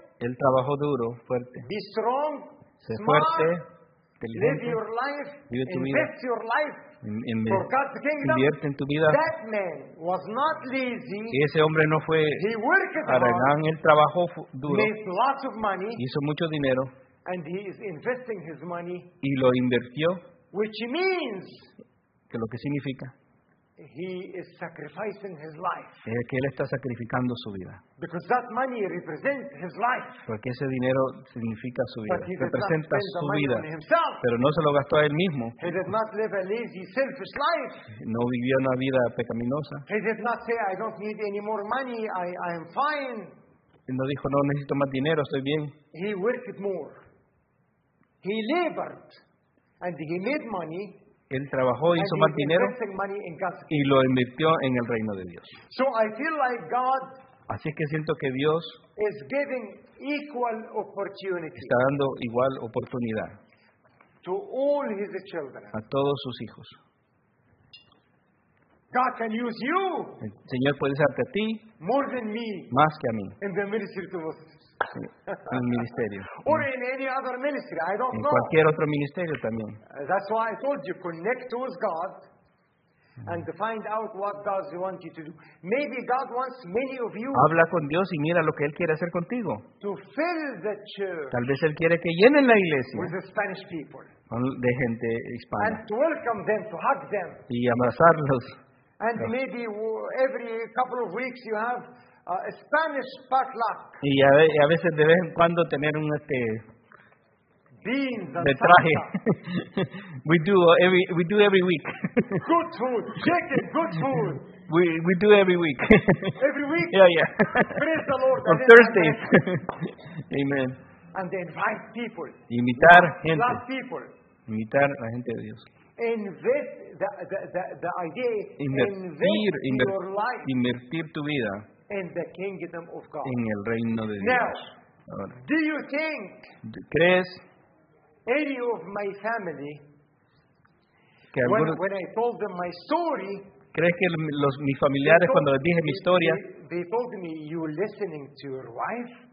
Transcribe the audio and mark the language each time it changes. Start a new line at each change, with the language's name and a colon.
Spanish: Él trabajó duro, fuerte.
English: Be strong.
Spanish: Sé fuerte. Inteligente.
English: Live your life.
Spanish: Vive tu vida.
English: Invest your life. For God's kingdom.
Spanish: Invierte en tu vida.
English: That man was not lazy.
Spanish: Y ese hombre no fue.
English: He worked hard.
Spanish: Abraham, él trabajó duro.
English: Made lots of money.
Spanish: Hizo mucho dinero.
English: And he is investing his money.
Spanish: Y lo invirtió.
English: Which means.
Spanish: Que lo que significa.
English: He is sacrificing his life.
Spanish: Es que él está sacrificando su vida.
English: Because that money represents his life.
Spanish: Porque ese dinero significa su vida, representa su vida.
English: On himself.
Spanish: Pero no se lo gastó a él mismo.
English: He did not live a lazy, selfish life.
Spanish: No vivió una vida pecaminosa.
English: He did not say, I don't need any more money. I am fine.
Spanish: Él no dijo, no necesito más dinero, estoy bien.
English: He worked more. He labored and he made money.
Spanish: Él trabajó, hizo más dinero y lo invirtió en el reino de Dios.
English: So I feel like God,
Spanish: así es que siento que Dios
English: is giving equal opportunity,
Spanish: está dando igual oportunidad
English: to all his children,
Spanish: a todos sus hijos.
English: God can use you,
Spanish: el Señor puede usarte a ti
English: more than me,
Spanish: más que a mí
English: in the ministry to us.
Spanish: En el ministerio.
English: Or in any other ministry, I don't
Spanish: en
English: know.
Spanish: Cualquier otro ministerio también.
English: That's why I told you connect with God and find out what God wants you to do. Maybe God wants many of you.
Spanish: Habla con Dios y mira lo que él quiere hacer contigo.
English: To fill the church.
Spanish: Tal vez él quiere que llenen la iglesia.
English: With the Spanish people.
Spanish: Con de gente hispana.
English: And to welcome them, to hug them.
Spanish: Y abrazarlos.
English: And no. Maybe every couple of weeks you have. Spanish potluck.
Spanish: Y a veces de vez en cuando tener un este
English: beans
Spanish: de traje.
English: we do every week. Good food, chicken, good food. We do every week. Every week. Yeah, yeah. Praise the Lord. On Thursdays. Amen. And they invite people.
Spanish: Invitar gente.
English: Love people.
Spanish: Invitar a la gente de Dios.
English: Invest the idea.
Spanish: Invertir
English: your life.
Spanish: Invertir tu vida.
English: In the kingdom of God.
Spanish: En el reino de Dios.
English: Now, do you think?
Spanish: ¿Crees?
English: Any of my family.
Spanish: Que alguno,
English: when I told them my story.
Spanish: ¿Crees que los mis familiares
English: told,
Spanish: cuando les dije mi historia?
English: They told me you listening to your wife.